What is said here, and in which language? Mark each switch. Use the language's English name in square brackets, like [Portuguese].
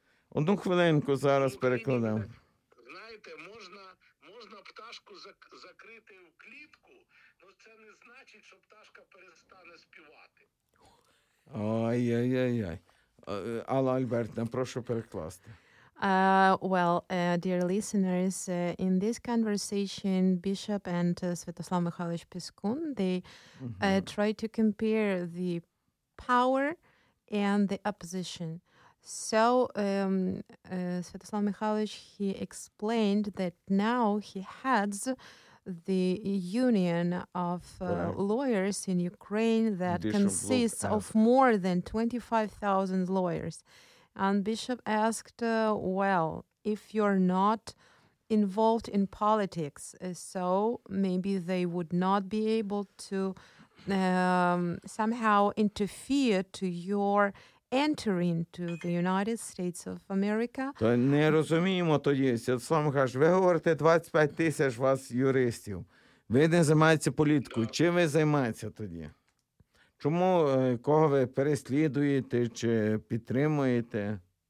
[Ukrainian] Одну хвилинку зараз перекладемо. Знаєте, можна пташку закрити в клітку, але це не значить, що пташка перестане співати. Ай-яй-яй-яй. Алла Альбертна, прошу перекласти. [English] Dear listeners, in this conversation, Bishop and Svetoslav Mikhailovich Piskun, they try to compare the power and the opposition. So Svetoslav Mikhailovich, he explained that now he heads the union of lawyers in Ukraine that consists of more than 25,000 lawyers. And Bishop asked, well, if you're not involved in politics, so maybe they would not be able to somehow interfere to your entering to the United States of America. [Ukrainian] То не розуміємо тоді, Святослав Михайлович, ви говорите 25 тисяч вас юристів. Ви не займаєтеся політикою. Чим ви займаєтеся тоді? Чому, кого ви переслідуєте чи підтримуєте?